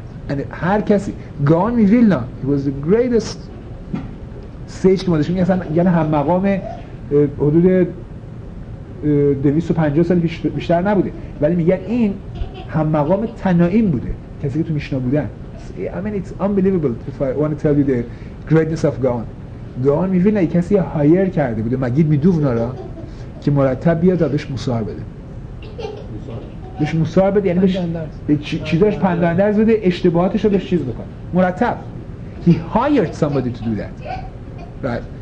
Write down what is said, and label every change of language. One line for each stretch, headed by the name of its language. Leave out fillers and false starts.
Persian: And هر کسی گان میویلنا،
English: he was the greatest sage
Persian: که ما داشتیم، یعنی هم مقام حدود 250 سال بیشتر نبوده، ولی میگن این هم مقام تنائیم بوده، کسی که تو میشنا بودن.
English: I mean it's unbelievable if I want to tell you the greatness of Gaon.
Persian: Gaon میبینه یک کسی هایر کرده بوده مگید میدوونا را که مرتب بیاد بهش مصاحبه بده، بهش مصاحبه بده، یعنی چیزاش پندندرز بده، اشتباهاتش را بهش چیز بکنه مرتب.
English: He hired somebody to do that. Right.